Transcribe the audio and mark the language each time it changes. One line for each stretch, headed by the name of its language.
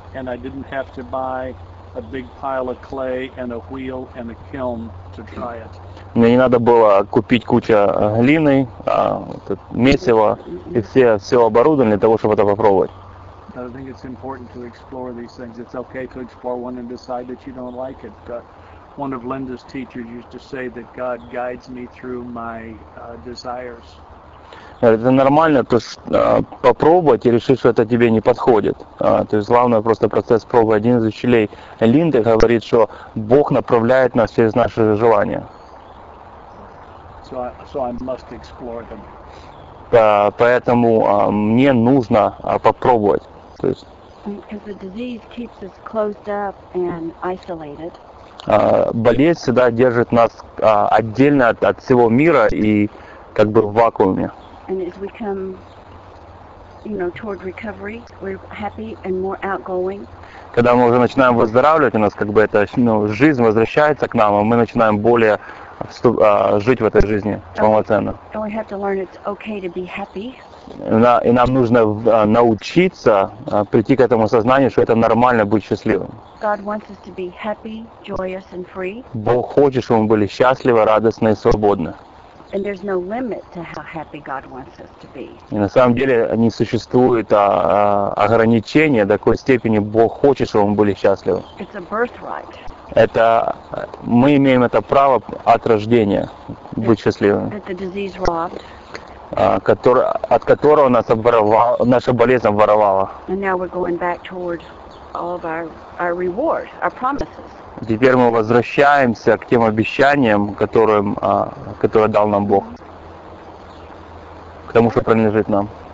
English: And I didn't have to buy a big pile of clay and a wheel and a kiln to try it.
Russian: Мне не надо было купить кучу глины, месива и все оборудование для того, чтобы это попробовать.
English: I think it's important to explore these things. It's okay to explore one and decide that you don't like it. One of Linda's teachers used to say that God guides me through my desires.
Russian: Это нормально, то что попробовать и решить, что это тебе не подходит. То есть главное просто процесс пробы. Один из учителей Линды говорит, что Бог направляет нас через наши желания.
English: So I must explore them.
Russian: Поэтому мне нужно попробовать. То есть,
English: because the disease keeps us closed up and isolated.
Russian: Болезнь всегда держит нас отдельно от всего мира и как бы в вакууме.
English: And as we come, you know, toward recovery, we're happy and more outgoing.
Russian: Когда мы уже начинаем выздоравливать, у нас как бы это, ну, жизнь возвращается к нам, и мы начинаем более жить в этой жизни полноценно.
English: And we have to learn it's okay to be happy.
Russian: И нам нужно научиться прийти к этому сознанию, что это нормально быть счастливым.
English: God wants us to be happy, joyous and free.
Russian: Бог хочет, чтобы мы были счастливы, радостны и свободны.
English: And there's no limit to how happy God wants us to be.
Russian: И на самом деле не существует ограничения до какой степени Бог хочет, чтобы мы были счастливы.
English: It's a birthright.
Russian: Это мы имеем это право от рождения быть счастливыми.
English: That the disease robbed.
Russian: От которого нас оборвала, наша болезнь оборвала.
English: And now we're going back toward all of our reward, our promises.
Russian: Теперь мы возвращаемся к тем обещаниям, которые дал нам Бог, к тому, что принадлежит нам.